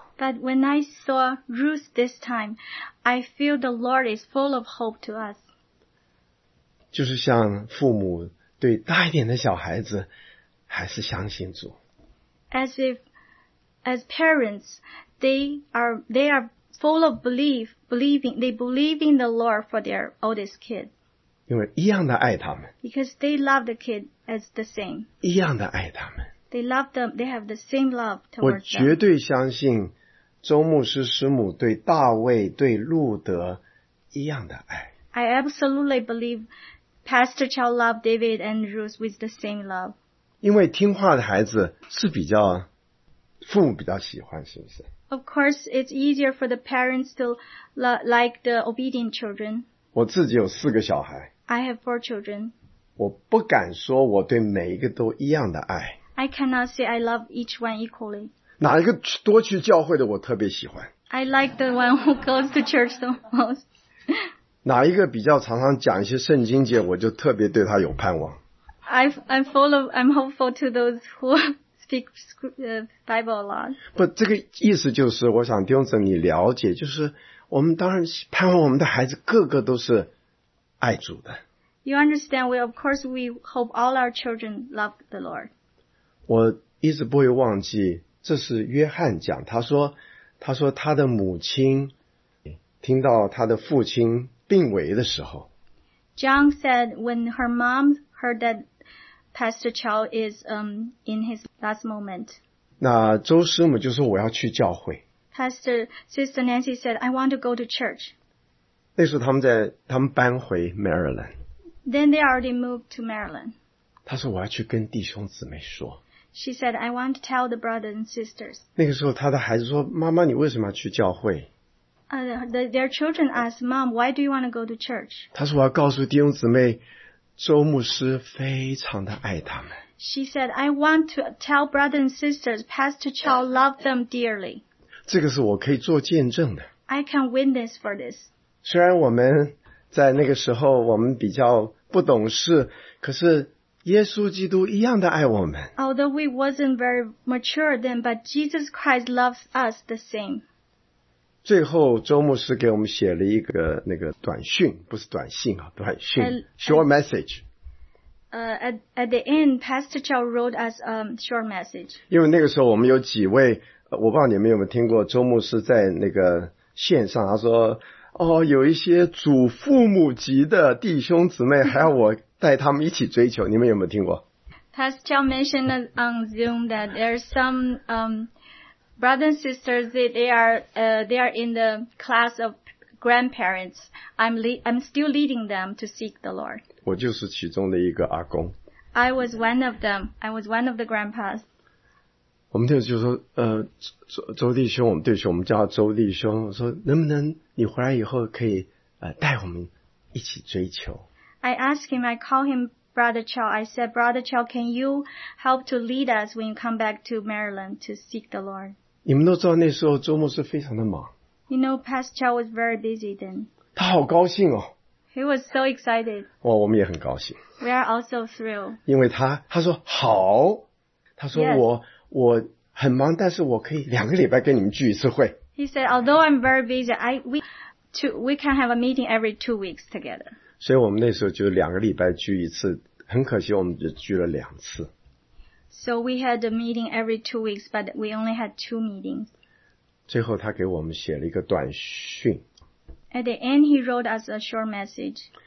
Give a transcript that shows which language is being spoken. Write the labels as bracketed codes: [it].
[en] But when I saw Ruth this time, I feel the Lord is full of hope to us. [zh] 就是像父母对大一点的小孩子，还是相信主。 [en] As parents, they are full of belief, believe in the Lord for their oldest kid. [zh] 因为一样的爱他们。 [en] Because they love the kid as the same. [zh] 一样的爱他们。 [en] They love them. They have the same love towards them. [zh] 我绝对相信周牧师师母对大卫对路德一样的爱。 [en] I absolutely believe Pastor Chow loved David and Ruth with the same love. [zh] 因为听话的孩子是比较父母比较喜欢，是不是 [en] ？Of course, it's easier for the parents to like the obedient children. [zh] 我自己有四个小孩。 [en] I have four children. [zh] 我不敢说我对每一个都一样的爱。 [en] I cannot say I love each one equally. [zh] 哪一个多去教会的我特别喜欢 [en] ？I like the one who goes to church the most. [zh] 哪一个比较常常讲一些圣经节，我就特别对他有盼望 [en] ？I'm hopeful to those who. Speak Bible a lot. [zh] 不，这个意思就是，我想弟兄姊妹你了解，就是我们当然盼望我们的孩子个个都是爱主的。 [en] You understand? Well, of course, we hope all our children love the Lord. [zh] 我一直不会忘记，这是约翰讲，他说他的母亲听到他的父亲病危的时候。 [en] John said when her mom heard that. Pastor Chow is in his last moment. [zh] 那周师母就说我要去教会。 [en] Pastor Sister Nancy said, "I want to go to church." [zh] 那时候他们搬回 Maryland. [en] Then they already moved to Maryland. [zh] 他说我要去跟弟兄姊妹说。 [en] She said, "I want to tell the brothers and sisters." [zh] 那个时候他的孩子说，妈妈，你为什么要去教会？ [en] Their children asked, "Mom, why do you want to go to church?" [zh] 他说我要告诉弟兄姊妹。周牧师非常的爱他们。 [en] She said, "I want to tell brothers and sisters, Pastor Chow loved them dearly." [zh] 这个是我可以做见证的。 [en] I can witness for this. [zh] 虽然我们在那个时候我们比较不懂事，可是耶稣基督一样的爱我们。 [en] Although we wasn't very mature then, but Jesus Christ loves us the same. [zh] 最后周牧师给我们写了一个那个短讯，不是短信啊，短讯 [en] short message。 At the end, Pastor Chow wrote us a short message. [zh] 因为那个时候我们有几位，我不知道你们有没有听过周牧师在那个线上，他说哦，有一些祖父母级的弟兄姊妹还要我带他们一起追求，你们有没有听过 [en] ？Pastor Chow mentioned on Zoom that there's some brothers and sisters, they are in the class of grandparents. I'm still leading them to seek the Lord. [zh] 我就是其中的一个阿公。 [en] I was one of them. I was one of the grandpas. [zh] 我们就说，周弟兄，我们叫周弟兄，说能不能你回来以后可以带我们一起追求。 [en] I asked him. I called him Brother Chow. I said, "Brother Chow, can you help to lead us when you come back to Maryland to seek the Lord?" [zh] 你们都知道那时候周牧师非常的忙。 [en] You know, Pastor Chow was very busy then. [zh] 他好高兴哦。 [en] He was so excited. [zh] 哇，我们也很高兴。 [en] We are also thrilled. [zh] 因为他说好，他说我很忙，但是我可以两个礼拜跟你们聚一次会。 [en] He said, "Although I'm very busy, we can have a meeting every 2 weeks together." [zh] 所以我们那时候就两个礼拜聚一次，很可惜我们只聚了两次。 [en] So we had a meeting every 2 weeks, but we only had 2 meetings. [zh] 最后他给我们写了一个短讯。 [en] At the end, he wrote us a short message.